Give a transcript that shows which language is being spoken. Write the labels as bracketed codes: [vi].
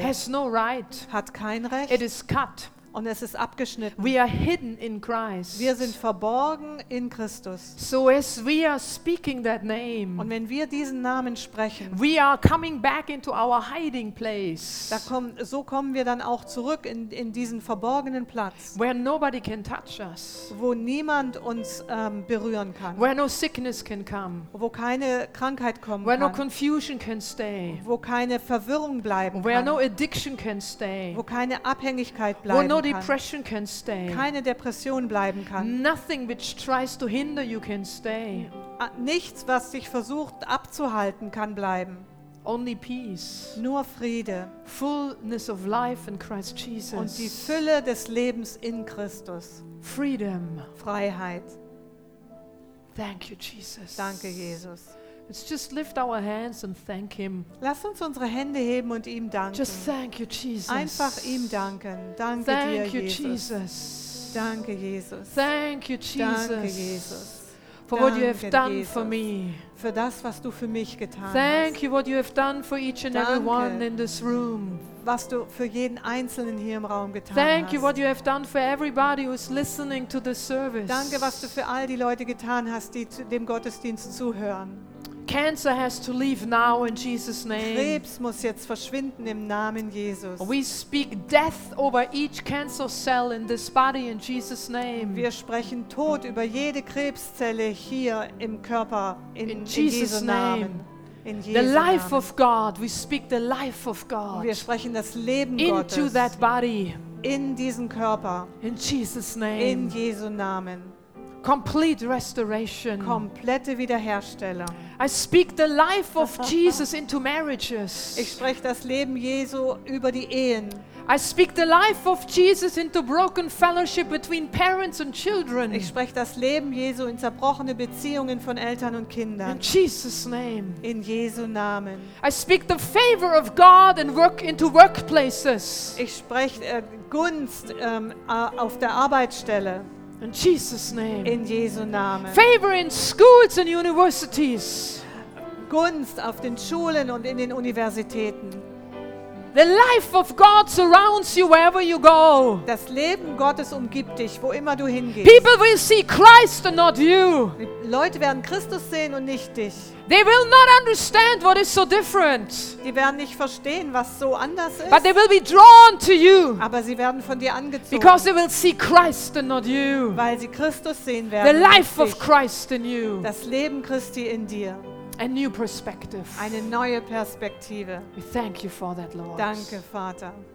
[en] has no right. [de] Hat kein Recht. [en] It is cut. [de] und es ist abgeschnitten. [en] We are hidden in Christ. [de] Wir sind verborgen in Christus. [en] So as we are speaking that name. [de] Und wenn wir diesen Namen sprechen. [en] We are coming back into our hiding place. [de] So kommen wir dann auch zurück in diesen verborgenen Platz. [en] Where nobody can touch us. [de] Wo niemand uns berühren kann. [en] Where no sickness can come. [de] Wo keine Krankheit kommen [en] Where [de] kann. [en] No confusion can stay. [de] Wo keine Verwirrung bleiben [en] Where [de] kann. [en] No addiction can stay. [de] Wo keine Abhängigkeit bleiben kann. [en] Wo no depression can stay. [de] Keine Depression bleiben kann. [en] Nothing which tries to hinder you can stay. [de] Nichts, was dich versucht abzuhalten, kann bleiben. [en] Only peace. [de] Nur Friede. [en] Fullness of life in Christ Jesus. [de] Und die Fülle des Lebens in Christus. [en] Freedom. [de] Freiheit. [en] Thank you, Jesus. [de] Danke, Jesus. [en] Let's just lift our hands and thank him. [de] Lass uns unsere Hände heben und ihm danken. [en] Just thank you, Jesus. [de] Einfach ihm danken. Danke [en] thank [de] dir, [en] you, Jesus. Jesus. [de] Danke, Jesus. [en] Thank you, Jesus. [de] Danke, Jesus. [en] For what you have done for me. [de] Für das, was du für mich getan hast. [en] Thank you, what you have done for each and [de] Danke. [en] Every one in this room. [de] Was du für jeden Einzelnen hier im Raum getan [en] Thank [de] hast. [en] You what you have done for everybody who is listening to the service. [de] Danke, was du für all die Leute getan hast, die dem Gottesdienst zuhören. [en] Cancer has to leave now in Jesus' name. [de] Krebs muss jetzt verschwinden im Namen Jesus. [en] We speak death over each cancer cell in this body in Jesus' name. [de] Wir sprechen Tod über jede Krebszelle hier im Körper in [en] Jesus' name. The life of God, we speak the life of God. [de] Wir sprechen das Leben [en] Gottes into that body. [de] In diesen Körper. [en] In Jesus' name. [de] In Jesu Namen. [en] Complete restoration. [de] Komplette Wiederherstellung. [en] I speak the life of Jesus into marriages. [de] Ich spreche das Leben Jesu über die Ehen. [en] I speak the life of Jesus into broken fellowship between parents and children. [de] Ich spreche das Leben Jesu in zerbrochene Beziehungen von Eltern und Kindern. [en] In Jesus name. [de] In Jesu Namen. [en] I speak the favor of God and work into workplaces. [de] Ich spreche Gunst auf der Arbeitsstelle. [en] In Jesus name. [de] In Jesu Namen. [en] Favor in schools and universities. [de] Gunst auf den Schulen und in den Universitäten. [en] The life of God surrounds you wherever you go. [de] Das Leben Gottes umgibt dich, wo immer du hingehst. [en] People will see Christ and not you. [de] Leute werden Christus sehen und nicht dich. [en] They will not understand what is so different. [de] Die werden nicht verstehen, was so anders ist. [en] But they will be drawn to you. [de] Aber sie werden von dir angezogen. [en] Because they will see Christ and not you. [de] Weil sie Christus sehen werden. [en] The life of Christ in you. [de] Das Leben Christi in dir. [en] A new perspective. [de] Eine neue Perspektive. [en] We thank you for that, Lord. [de] Danke, Vater.